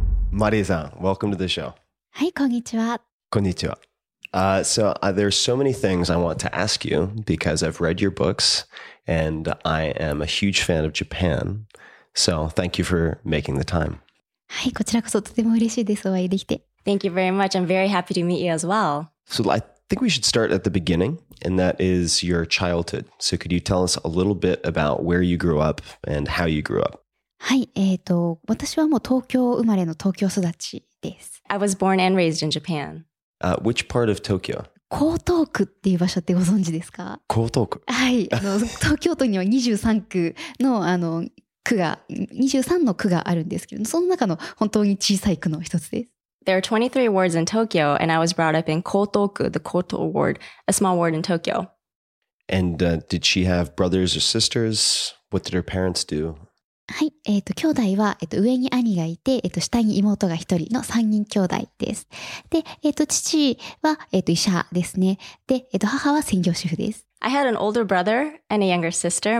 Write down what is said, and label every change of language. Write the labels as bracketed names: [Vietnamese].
[English] Marie-san, welcome to the show. Hi, konnichiwa. [Japanese] Konnichiwa. [English] There's so many things I want to ask you because I've read your books and I am a huge fan of Japan. So thank you for making the time. [Japanese] Hi, こちらこそ とても嬉しいです。お会いできて。 [English] Thank you very much. I'm very happy to meet you as well. So I think we should start at the beginning, and that is your childhood. So could you tell us a little bit about where you grew up and how you grew up? I was born and raised in Japan. Which part of Tokyo? [Japanese] 江東区っていう場所ってご存知ですか? 江東区? はい、東京都には 23区の区が、23の区があるんですけど、 その中の本当に小さい区の一つです。 [English] There are 23 wards in Tokyo, and I was brought up in Kotoku, the Koto ward, a small ward in Tokyo. And did she have brothers or sisters? What did her parents do? I had an older brother and a younger sister.